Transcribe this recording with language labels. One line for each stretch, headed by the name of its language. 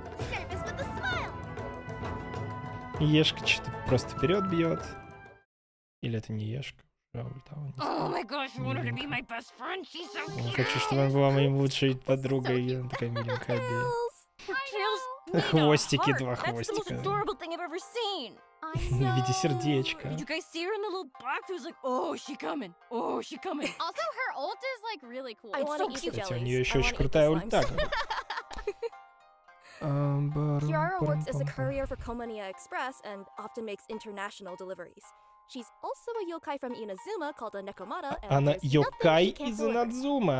English: Service with a smile.
Russian: Ешка что-то просто вперед бьет. Или это не Ешка? О, мой гош, вы должны быть моим
English: best friend. She's so cute.
Russian: Я хочу, чтобы она была моим лучшей подругой. Она такая миленькая. Да. Хвостики, два хвостика.
English: That's the most adorable thing I've ever seen.
Russian: В виде сердечка.
English: Did you guys see her in the little box? It was like, oh, she coming. Oh, she coming. Also, her ult is like really cool. I want to eat jellies.
Russian: У нее еще очень крутая ульта.
English: Кирара works as a courier for Komania Express and often makes international deliveries. She's also a yokai from Inazuma called a Nekomata.
Russian: Она yokai из Инадзумы.